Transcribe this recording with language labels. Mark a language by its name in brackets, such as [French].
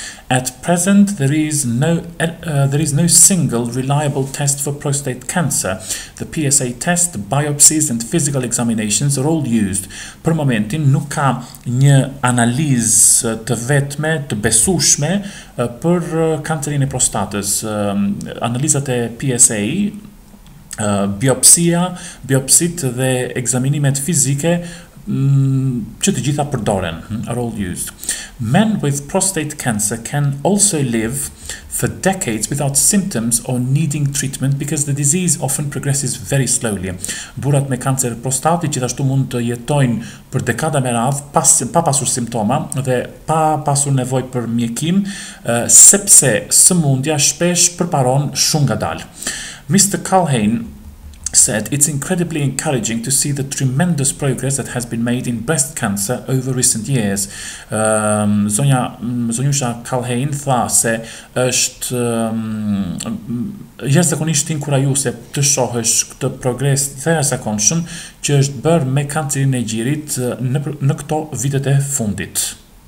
[English] At present, there is no single reliable test for prostate cancer. The PSA test, biopsies and physical examinations are all used. [Albanian] Për momentin, nuk ka një analizë të vetme, të besueshme, për kancerin e prostatës. Analizat e PSA, biopsit dhe ekzaminimet fizike, që të gjitha përdoren, [English] are all used. Men with prostate cancer can also live for decades without symptoms or needing treatment because the disease often progresses very slowly. [Albanian] Burrat me kancer prostati gjithashtu mund të jetojnë për dekada me radhë pa pasur simptoma dhe pa pasur nevojë për mjekim, sepse sëmundja shpesh përparon shumë ngadalë. [English] Mr. Culhane said it's incredibly encouraging to see the tremendous progress that has been made in breast cancer over recent years. [Albanian] Zonjusha Culhane tha se është jashtëzakonisht inkurajuese të shohësh këtë progres të jashtëzakonshëm që është bërë me kancerin e gjirit në këto vitet e fundit.